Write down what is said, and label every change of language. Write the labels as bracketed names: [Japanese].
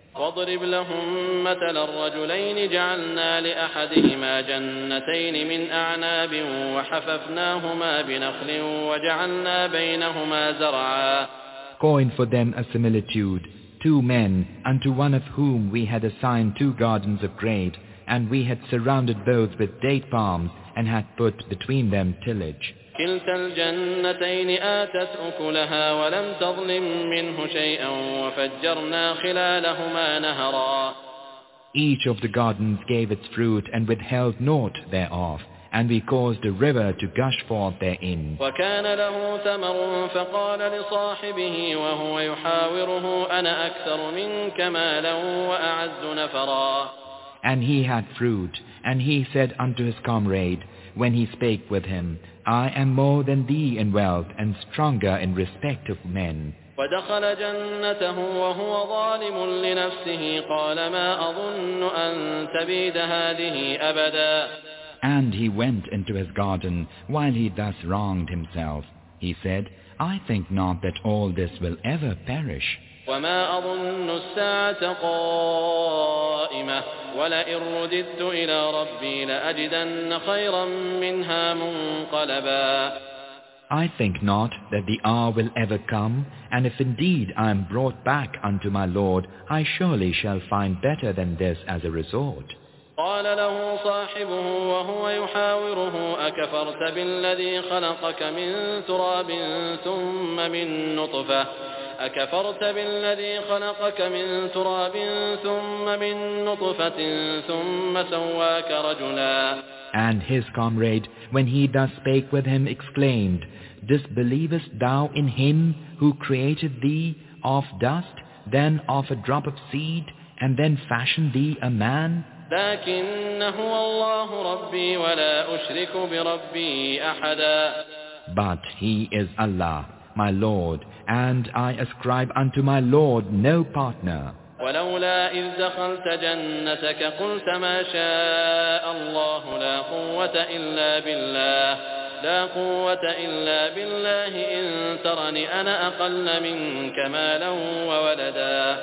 [Arabic] وَاضْرِبْ لَهُمْ مَثَلَ الرَّجُلَيْنِ جَعَلْنَا لِأَحَدِهِمَا جَنَّتَيْنِ مِنْ أَعْنَابٍ وَحَفَفْنَاهُمَا بِنَخْلٍ وَجَعَلْنَا بَيْنَهُمَا زَرْعًا. [English] Coin for them a similitude, two men, unto one of whom we had assigned two gardens of grapes, and we had surrounded both with date palms, and had put between them tillage. [Arabic] كلتا الجنتين آتت أكلها ولم تظلم منه شيئا وفجرنا خلالهما نهرا. [English] Each of the gardens gave its fruit and withheld naught thereof, and we caused a river to gush forth therein. [Arabic] وكان له ثمر فقال لصاحبه وهو يحاوره أنا أكثر منك مالا وأعز نفرا. [English] And he had fruit, and he said unto his comrade, when he spake with him, I am more than thee in wealth and stronger in respect of men. [Arabic] ودخل جنته وهو ظالم لنفسه قال ما أظن أن تبيد هذه أبدا. [English] And he went into his garden while he thus wronged himself. He said, I think not that all this will ever perish. [Arabic] وما أظن الساعة قائمة ولئن رددت إلى ربي لأجدن خيرا منها منقلبا. [English] I think not that the hour will ever come, and if indeed I am brought back unto my Lord, I surely shall find better than this as a resort. [Arabic] قال له صاحبه وهو يحاوره أكفرت بالذي خلقك من تراب ثم من نطفة أكفرت بالذي خلقك من تراب ثم من نطفة ثم سواك رجلا. [English] And his comrade, when he thus spake with him, exclaimed, Disbelievest thou in him who created thee of dust, then of a drop of seed, and then fashioned thee a man? [Arabic] لكن هو الله ربي ولا أشرك بربي أحدا. [English] But he is Allah, my Lord, and I ascribe unto my Lord no partner. [Arabic] ولولا إذ دخلت جنتك قلت ما شاء الله لا قوة إلا بالله لا قوة إلا بالله إن ترني أنا أقل منك مالا وولدا.